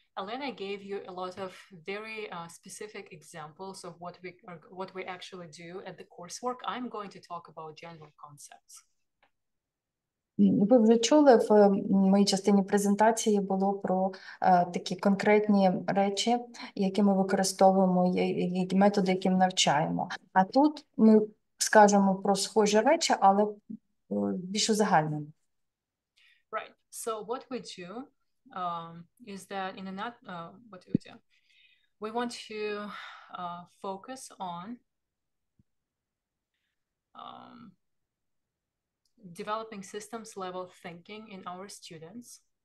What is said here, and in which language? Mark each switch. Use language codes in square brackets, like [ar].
[en] Elena gave you a lot of very specific examples of what we actually do at the coursework. I'm going to talk about general concepts. [uk] Ви вже чули, в моїй частині презентації було про такі конкретні речі, які ми використовуємо, і методи, яким навчаємо. А тут ми скажемо про схожі речі, але більш узагальнені. [en] Right. So what we do is that in a nut, what do we do? We want to focus on developing systems level thinking in our students.